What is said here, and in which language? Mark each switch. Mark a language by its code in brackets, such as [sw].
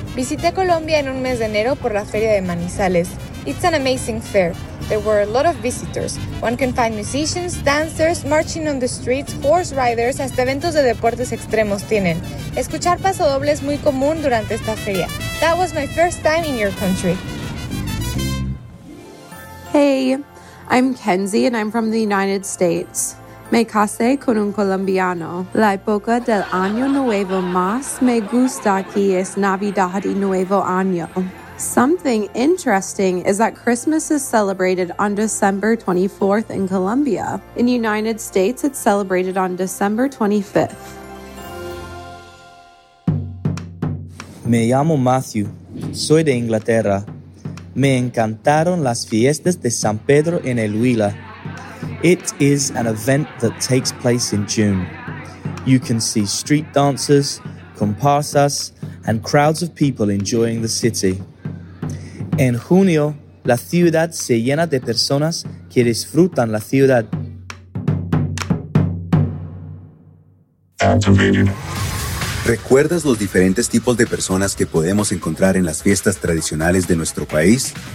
[es] Visité Colombia en un mes de enero por la Feria de Manizales. [en] It's an amazing fair. There were a lot of visitors. One can find musicians, dancers, marching on the streets, horse riders, [es] hasta eventos de deportes extremos tienen. Escuchar pasodobles es muy común durante esta feria. [en] That was my first time in your country. Hey, I'm Kenzie and I'm from the United States. [es] Me casé con un colombiano. La época del año nuevo más me gusta aquí es Navidad y Nuevo Año. [en] Something interesting is that Christmas is celebrated on December 24th in Colombia. In the United States, it's celebrated on December 25th. [es] Me llamo Matthew. Soy de Inglaterra. Me encantaron las fiestas de San Pedro en el Huila. [en] It is an event that takes place in June. You can see street dancers, comparsas, and crowds of people enjoying the city. [es] En junio, la ciudad se llena de personas que disfrutan la ciudad. ¿Recuerdas los diferentes tipos de personas que podemos encontrar en las fiestas tradicionales de nuestro país?